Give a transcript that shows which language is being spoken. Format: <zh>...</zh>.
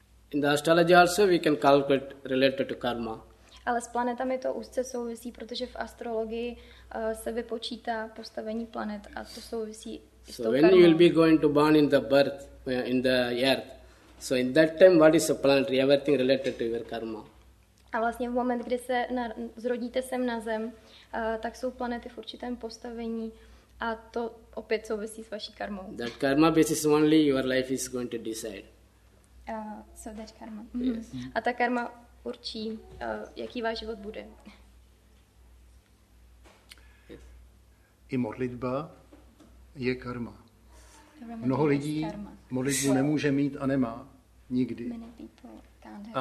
<en>In the astrology also we can calculate related to karma.</en> <cs>Ale s planetami to úzce souvisí, protože v astrologii se vypočítá postavení planet a to souvisí s tou karmou.</cs> <en>So when you'll be going to born in the birth in the earth. So in that time what is a planet everything related to your karma.</en> <cs>A vlastně v moment, kdy se zrodíte sem na zem, tak jsou planety v určitém postavení a to opět souvisí s vaší karmou.</cs> <en>That karma basis only your life is going to decide. So that karma. Mm-hmm. Yes.</en> <cs>A ta karma určí, jaký váš život bude. I modlitba je karma. Mnoho lidí karma. Modlitbu nemůže mít a nemá nikdy.</cs> <en>Many people can't have</en>